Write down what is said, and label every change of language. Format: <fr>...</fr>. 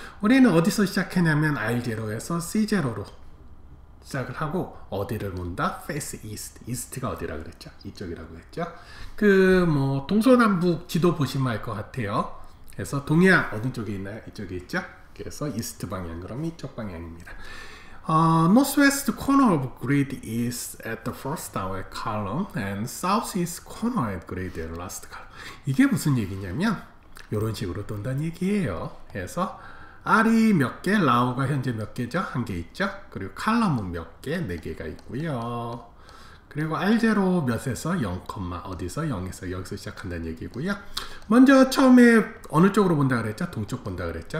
<ko>우리는 어디서 시작했냐면 R0에서 C0로 시작을 하고 어디를 문다?</ko> <en>Face East.</en> <ko>East가 어디라 그랬죠? 이쪽이라고 했죠? 그 뭐 동서남북 지도 보시면 알 것 같아요. 그래서 동해안 어느 쪽에 있나요? 이쪽에 있죠? 그래서 East 방향, 그럼 이쪽 방향입니다.</ko> <en>Northwest corner of grid is at the first hour column and southeast corner of grid at last column.</en> <ko>이게 무슨 얘기냐면 이런 식으로 돈다는 얘기예요. 그래서 R이 몇 개, 라우가 현재 몇 개죠? 한 개 있죠? 그리고 칼럼은 몇 개? 네 개가 있고요. 그리고 R0 몇에서 0, 어디서? 0에서 여기서 시작한다는 얘기고요. 먼저 처음에 어느 쪽으로 본다 그랬죠? 동쪽 본다 그랬죠?</ko>